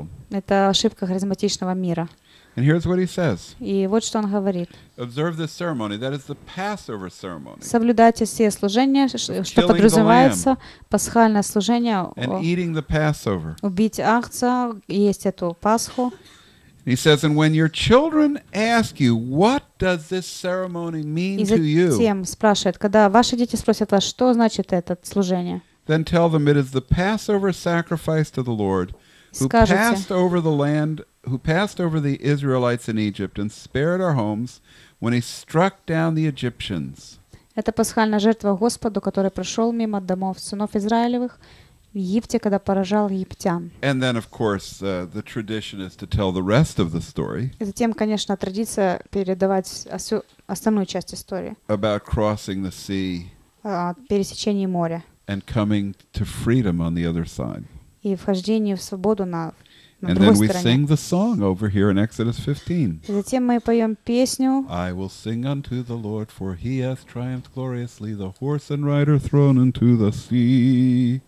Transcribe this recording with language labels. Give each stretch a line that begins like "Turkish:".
Russian: Это ошибка харизматичного мира.
English: And here's what he says.
Russian: И вот что он говорит.
English: Observe the ceremony. That is the Passover ceremony.
Russian: Соблюдайте все служения, что подразумевается пасхальное служение.
English: And eating the Passover.
Russian: Убить Агнца, есть эту Пасху.
English: He says, and when your children ask you, what does this ceremony mean to you?
Russian: И затем спрашивает, когда ваши дети спросят вас, что значит это служение?
English: Then tell them it is the Passover sacrifice to the Lord, who passed over the land. Who passed over the Israelites in Egypt and spared our homes when he struck down the Egyptians.
Russian: Это пасхальная жертва Господу, который прошел мимо домов сынов Израилевых в Египте, когда поражал египтян.
English: And then, of course, the tradition is to tell the rest of the story.
Russian: И затем, конечно, традиция передавать всю основную часть истории.
English: About crossing the sea.
Russian: Пересечении моря.
English: And coming to freedom on the other side.
Russian: И вхождение в свободу на
English: And then we sing the song over here in Exodus 15.
Russian: Затем мы поем песню.
English: I will sing unto the Lord, for he hath triumphed gloriously, the horse and rider thrown into the sea.